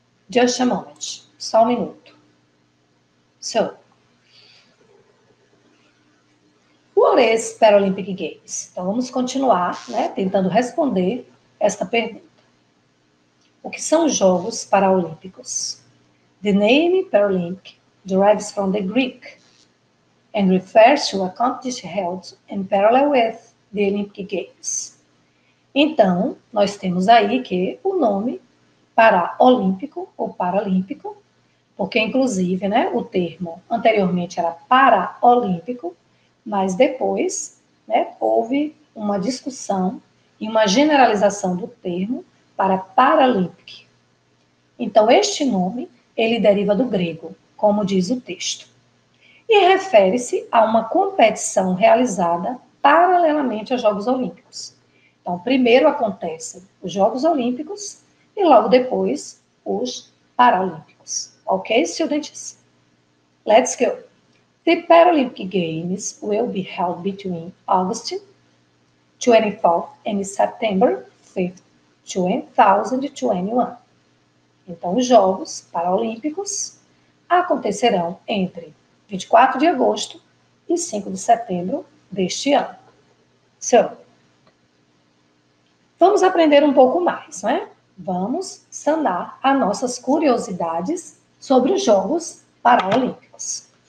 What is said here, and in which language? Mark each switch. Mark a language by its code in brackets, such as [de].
[en] Just a moment, [pt] só um minuto. [en] So, what is Paralympic Games? [pt] Então vamos continuar, né, tentando responder esta pergunta. O que são os Jogos Paralímpicos? [en] The name Paralympic derives from the Greek and refers to a competition held in parallel with the Olympic Games. [pt] Então, nós temos aí que o nome para olímpico ou paralímpico, porque inclusive, né, o termo anteriormente era paraolímpico, mas depois, né, houve uma discussão e uma generalização do termo para paralympic. Então, este nome, ele deriva do grego, como diz o texto. E refere-se a uma competição realizada paralelamente aos Jogos Olímpicos. Então, primeiro acontecem os Jogos Olímpicos, e logo depois, os Paralímpicos. [en] Ok, students? Let's go. The Paralympic Games will be held between August 24th and September 5th, 2021. [pt] Então, os Jogos Paralímpicos acontecerão entre 24 de agosto e 5 de setembro deste ano. So, vamos aprender um pouco mais, né? Vamos sanar as nossas curiosidades sobre os Jogos Paralímpicos.